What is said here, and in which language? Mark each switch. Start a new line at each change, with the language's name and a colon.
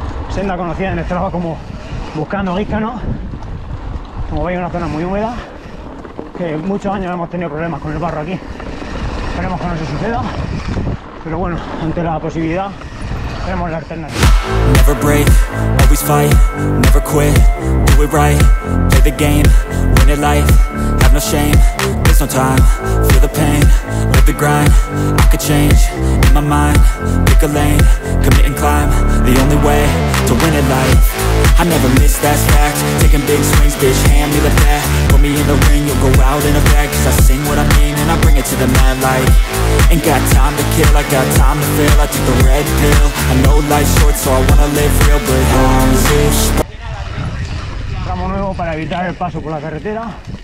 Spanish: Senda conocida en el Strava como buscando guíscano. Como veis, una zona muy húmeda, que muchos años hemos tenido problemas con el barro aquí. Esperemos que no se suceda. Pero bueno, ante la posibilidad, tenemos la alternativa.
English: Never break, always fight, never quit. Do it right, play the game, win it life. Have no shame, there's no time. Feel the pain, with the grind. I could change, in my mind. Pick a lane, commit and climb. The only way, to win at life. I never miss, that's fact. Taking big swings, bitch, hand me the bat. Put me in the ring, you'll go out in a bag. Cause I sing what I mean and I bring it to the mad light. Ain't got time to kill, I got time to fill. I took the red pill, I know life's short. So I wanna live real, but how's it?
Spanish: Tramo nuevo para evitar el paso por la carretera.